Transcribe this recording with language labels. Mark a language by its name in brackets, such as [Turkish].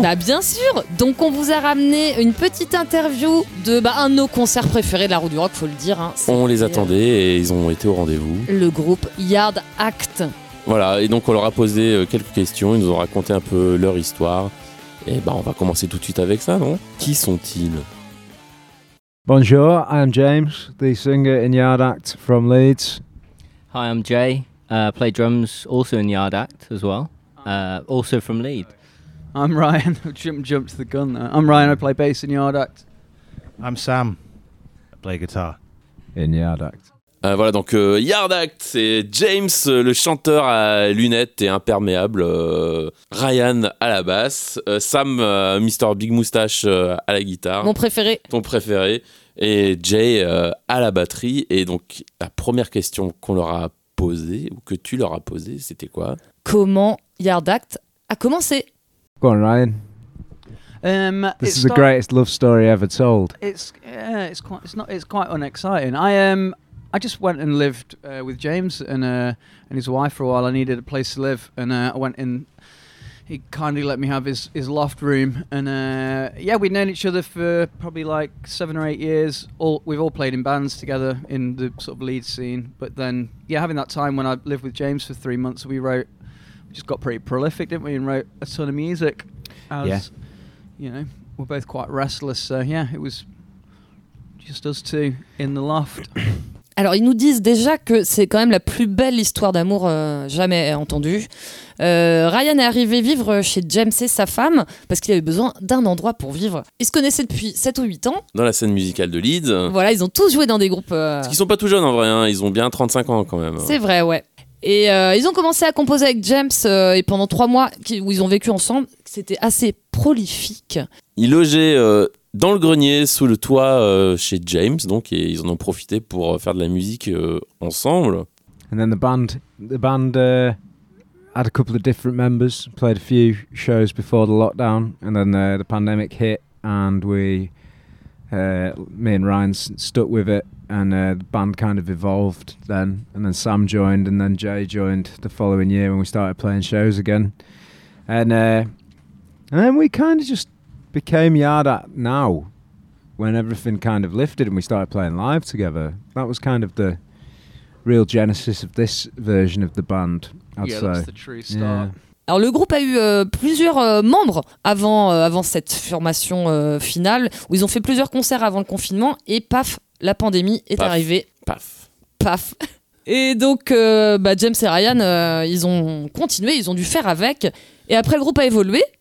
[French] Bah bien sûr, donc on vous a ramené une petite interview de un de nos concerts préférés de la Route du Rock, faut le dire. On les attendait et ils ont été au rendez-vous. Le groupe Yard Act. Voilà, et donc on leur a posé quelques questions, ils nous ont raconté un peu leur histoire. Eh ben, on va commencer tout de suite avec ça, non? Qui sont-ils? [English] Bonjour, I'm James, the singer in Yard Act from Leeds. Hi, I'm Jay, play drums also in Yard Act as well, also from Leeds. I'm Ryan, jumped the gun there. I'm Ryan, I play bass in Yard Act. I'm Sam, I play guitar in Yard Act. [French] Voilà, donc Yard Act, c'est James, le chanteur à lunettes et imperméable, Ryan à la basse, Sam, Mr. Big Moustache à la guitare. Mon préféré. Ton préféré, et Jay à la batterie. Et donc, la première question qu'on leur a posée, ou que tu leur as posée, c'était quoi? Comment Yard Act a commencé? [English] Go on, Ryan. This is the greatest love story ever told. It's quite unexciting. I just went and lived with James and his wife for a while. I needed a place to live, and I went in. He kindly let me have his loft room, and we'd known each other for probably like 7 or 8 years. We've all played in bands together in the sort of lead scene. But then, yeah, having that time when I lived with James for 3 months, we just got pretty prolific, didn't we? And wrote a ton of music. You know, we're both quite restless, so yeah, it was just us two in the loft. [French] Alors, ils nous disent déjà que c'est quand même la plus belle histoire d'amour jamais entendue. Ryan est arrivé vivre chez James et sa femme parce qu'il avait besoin d'un endroit pour vivre. Ils se connaissaient depuis 7 ou 8 ans. Dans la scène musicale de Leeds. Voilà, ils ont tous joué dans des groupes... Parce qu'ils sont pas tout jeunes en vrai, hein. Ils ont bien 35 ans quand même. C'est vrai, ouais. Et ils ont commencé à composer avec James et pendant 3 mois où ils ont vécu ensemble, c'était assez prolifique. Ils logeaient... dans le grenier, sous le toit, chez James, donc, et ils en ont profité pour faire de la musique ensemble. [English] And then the band had a couple of different members, played a few shows before the lockdown, and then the pandemic hit, and me and Ryan stuck with it, and the band kind of evolved then, and then Sam joined, and then Jay joined the following year when we started playing shows again, and then we kind of just became Yard Act now, when everything kind of lifted and we started playing live together. That was kind of the real genesis of this version of the band, I'd say. Yeah, that's the true start. Yeah. [French] Alors, le groupe a eu plusieurs membres avant cette formation finale, où ils ont fait plusieurs concerts avant le confinement, et paf, la pandémie est arrivée. Paf. Paf. Et donc, James et Ryan, ils ont continué, ils ont dû faire avec. Et après, le groupe a évolué.